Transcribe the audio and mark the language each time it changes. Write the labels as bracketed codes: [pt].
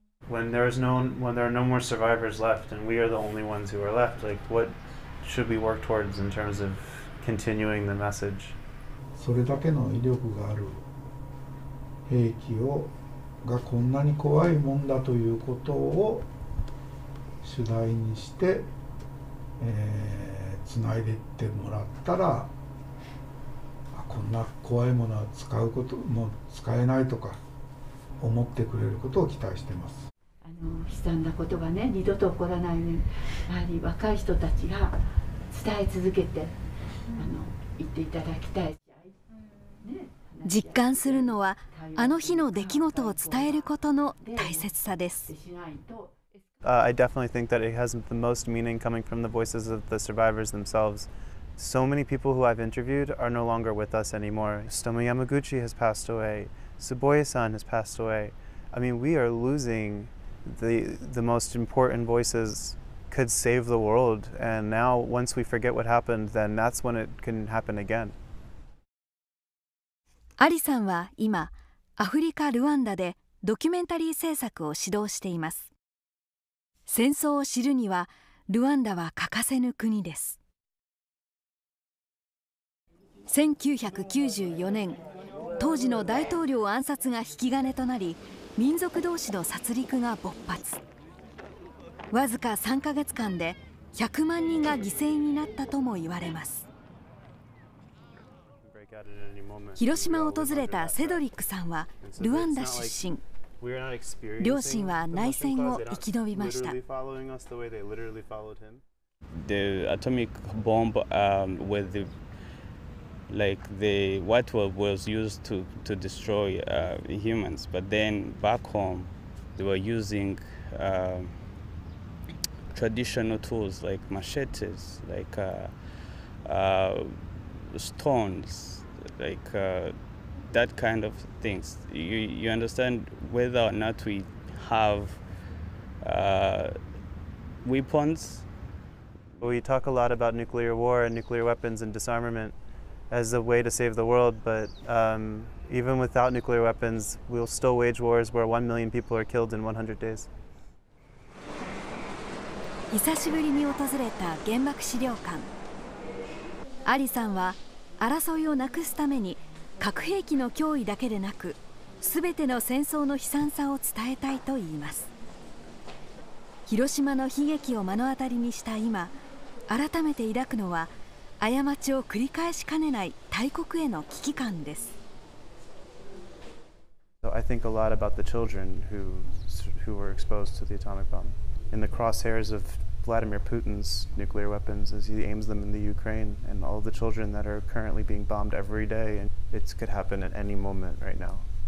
[en] When there is no, when there are no more survivors left and we are the only ones who are left, like what should we work towards in terms of continuing the message? [ja] それだけの威力がある兵器をがこんなに怖いもんだということを主題にして、繋いでってもらったら、こんな怖いものは使うことも使えないとか思ってくれることを期待しています。悲惨なことがね、二度と起こらないように、やはり若い人たちが伝え続けて言っていただきたい。実感するのは、あの日の出来事を伝えることの大切さです。 [en] I definitely think that it has the most meaning coming from the voices of the survivors themselves. So many people who I've interviewed are no longer with us anymore. Stoma Yamaguchi has passed away. Tsuboya-san has passed away. I mean, we are losing the most important voices could save the world. And now, once we forget what happened, then that's when it can happen again. [ja] アリさんは今、アフリカ・ルワンダでドキュメンタリー制作を指導しています。戦争を知るには、ルワンダは欠かせぬ国です。 1994年、当時の大統領暗殺が引き金となり、民族同士の殺戮が勃発。わずか3ヶ月間で100万人が犠牲になったとも言われます。広島を訪れたセドリックさんはルワンダ出身。両親は内戦を生き延びました。 [en] The atomic bomb with the, like the white world was used to destroy humans, but then back home they were using traditional tools like machetes, like stones, like that kind of things. You understand whether or not we have weapons? We talk a lot about nuclear war and nuclear weapons and disarmament as a way to save the world, but even without nuclear weapons, we'll still wage wars where 1 million people are killed in 100 days. [ja] 久しぶりに訪れた原爆資料館。アリさんは争いをなくすために核兵器の脅威だけでなく、すべての戦争の悲惨さを伝えたいと言います。広島の悲劇を目の当たりにした今、改めて抱くのは過ちを繰り返しかねない大国への危機感です。 [en] So I think a lot about the children who were exposed to the atomic bomb in the crosshairs of Vladimir Putin's nuclear weapons as he aims them in the Ukraine and all the children that are currently being bombed every day and it could happen at any moment right now.